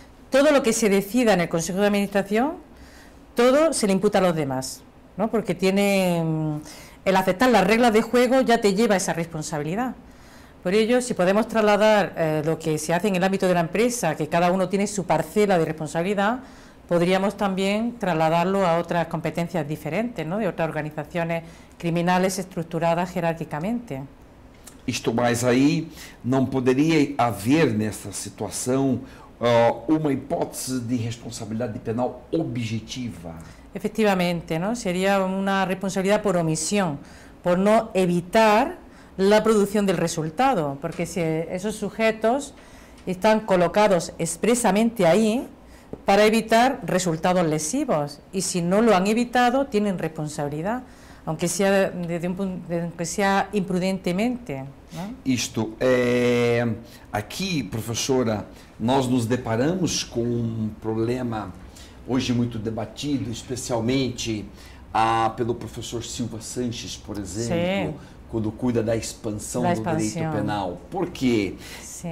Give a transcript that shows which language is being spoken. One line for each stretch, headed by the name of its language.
Spanish: Todo lo que se decida en el consejo de administración, todo se le imputa a los demás, ¿no?, porque tiene el aceptar las reglas de juego ya te lleva a esa responsabilidad. Por ello, si podemos trasladar lo que se hace en el ámbito de la empresa, que cada uno tiene su parcela de responsabilidad, podríamos también trasladarlo a otras competencias diferentes, ¿no?, de otras organizaciones criminales estructuradas jerárquicamente.
Portuguese: Isto mais aí, não poderia haver nessa situação uma hipótese de responsabilidade penal objetiva?
Spanish: Efectivamente, ¿no? Sería una responsabilidad por omisión, por no evitar la producción del resultado, porque si esos sujetos están colocados expresamente ahí para evitar resultados lesivos, y si no lo han evitado, tienen responsabilidad, aunque sea aunque sea imprudentemente, ¿no?
Portuguese: Isto,
Spanish: aquí, profesora,
Portuguese: nós nos deparamos con un problema hoje muito debatido, especialmente pelo professor Silva Sanches, por exemplo. Sim. Quando cuida da expansão do direito penal. Por quê? Sim.